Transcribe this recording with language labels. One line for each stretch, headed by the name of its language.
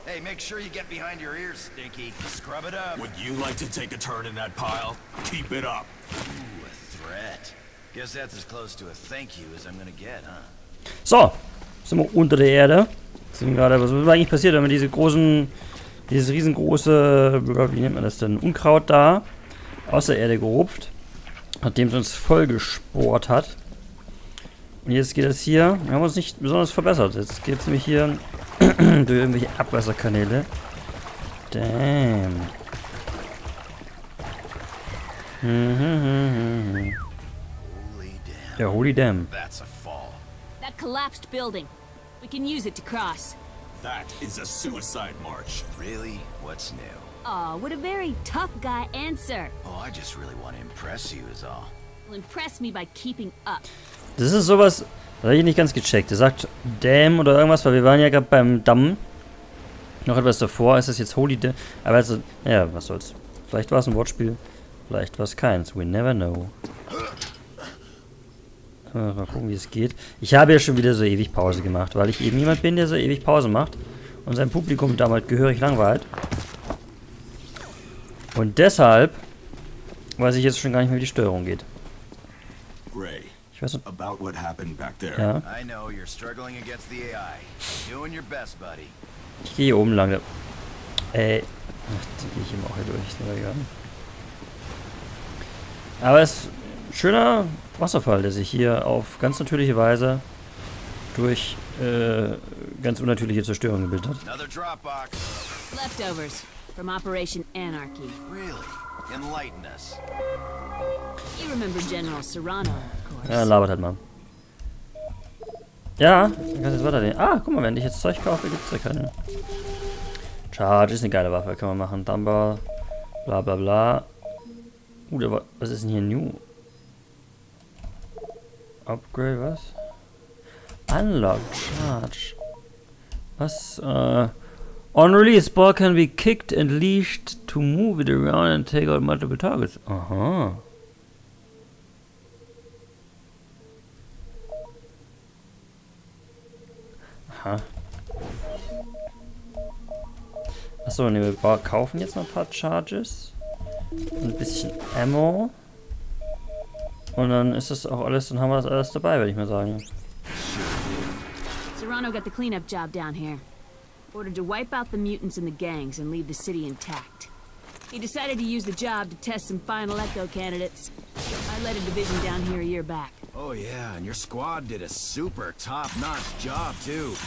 English: Hey, make sure you get behind your ears, Stinky. Scrub it up. Would you like to take a turn in that pile? Keep it up. Ooh, a threat. Guess that's as close to a thank you as I'm gonna get, huh?
German: So, sind wir unter der Erde. Sind gerade, was ist eigentlich passiert, wenn man diese großen, dieses riesengroße, wie nennt man das denn, Unkraut da aus der Erde gerupft, nachdem es uns voll gespohrt hat. Und jetzt geht es hier, wir haben uns nicht besonders verbessert. Jetzt geht es nämlich hier durch irgendwelche Abwasserkanäle.
English: Damn. Ja, holy damn. That collapsed building. We can use it to cross. That is a suicide march. Really? What's new? Aw, what a very tough guy answer. Oh, I just really want to impress you is all. Well, impress me by keeping up.
German: Das ist sowas, das habe ich nicht ganz gecheckt. Er sagt damn oder irgendwas, weil wir waren ja gerade beim Damm. Noch etwas davor, ist das jetzt
English: holy damn?
German: Aber also, ja, was soll's. Vielleicht war es ein Wortspiel, vielleicht war es keins.
English: We never know.
German: Mal gucken, wie es geht. Ich habe ja schon wieder so ewig Pause gemacht, weil ich eben jemand bin, der so ewig Pause macht und sein Publikum damals gehörig langweilt. Und deshalb weiß ich jetzt schon gar nicht mehr, wie die Steuerung geht.
English: Ray,
German: ich weiß nicht,
English: about what happened back there.
German: Ja.
English: I know you're struggling against the AI. Doing your best, buddy.
German: Ich gehe hier oben lang. Ach, die gehe ich immer auch hier durch. Ist nicht egal. Aber es ist ein schöner Wasserfall, der sich hier auf ganz natürliche Weise durch ganz unnatürliche Zerstörung gebildet hat.
English: Leftovers from Operation Anarchy. Really? Enlighten us. You remember General Serrano, of course.
German: Ja, labert halt mal. Ja, dann kannst du jetzt weiter. Ah, guck mal, wenn ich jetzt Zeug kaufe, gibt es ja keinen. Charge ist eine geile Waffe, kann man machen. Dumbbell, bla bla bla. Der, was ist denn hier new? Upgrade, was? Unlock Charge. Was?
English: On release, ball can be kicked and leashed to move it around and take out multiple targets.
German: Aha. Aha. Achso, ne, wir kaufen jetzt noch ein paar Charges. Ein bisschen Ammo. Und dann ist das auch alles, dann haben wir das alles dabei, würde ich mal sagen.
English: Serrano got the cleanup job down here. Ordered to wipe out the mutants and the gangs and leave the city intact. He decided to use the job to test some final echo candidates. I led a division down here a year back. Oh yeah, and your squad did a super top-notch job too.